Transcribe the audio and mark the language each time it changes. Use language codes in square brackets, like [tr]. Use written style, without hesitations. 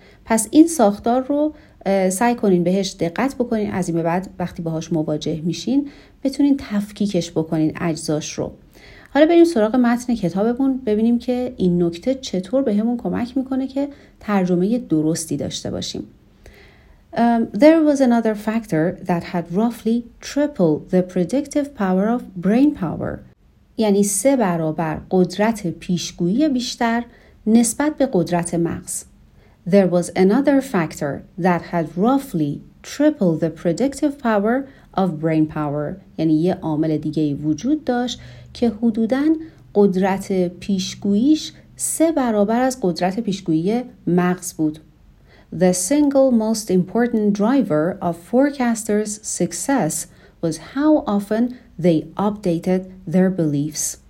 [fa] پس این ساختار رو سعی کنین بهش دقت بکنین، از این به بعد وقتی باهاش مواجه میشین بتونین تفکیکش بکنین اجزاش رو. حالا بریم سراغ متن کتابمون ببینیم که این نکته چطور بهمون کمک میکنه که ترجمه درستی داشته باشیم. [en] There was another factor that had roughly triple the predictive power of brain power. [fa] یعنی سه برابر قدرت پیشگویی بیشتر نسبت به قدرت مغز. [en] There was another factor that had roughly triple the predictive power of brain power. [fa] یعنی یه عامل دیگه وجود داشت که حدوداً قدرت پیشگوییش سه برابر از قدرت پیشگویی مغز بود. [en] The single most important driver of forecasters' success was how often they updated their beliefs.